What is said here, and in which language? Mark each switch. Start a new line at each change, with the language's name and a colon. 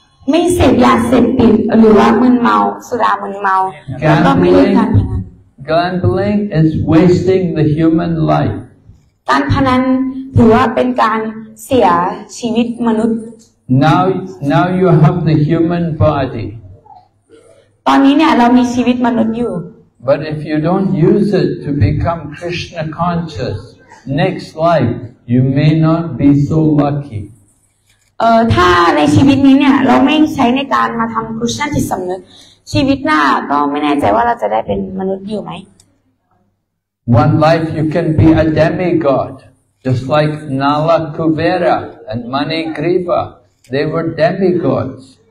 Thai: ไม่เสพยาเสพติดหรือว่ามึนเมาสุรามึนเมาแล้วก็ไม่เล่นการพนัน
English: gambling is wasting the human life
Thai: การพนันถือว่าเป็นการเสียชีวิตมนุษย์
English: now you have the human body
Thai: ตอนนี้เนี่ยเรามีชีวิตมนุษย์อยู่
English: But if you don't use it to become Krishna conscious next life you may not be so lucky
Thai: ถ้าในชีวิตนี้เนี่ยเราไม่ใช้ในการมาทำ Krishna จิตสำนึกชีวิตหน้าก็ไม่แน่ใจว่าเราจะได้เป็นมนุษย์อยู่ไหม
English: One life you can be a demigod just like Nala Kuvera and Manigriva they were demigods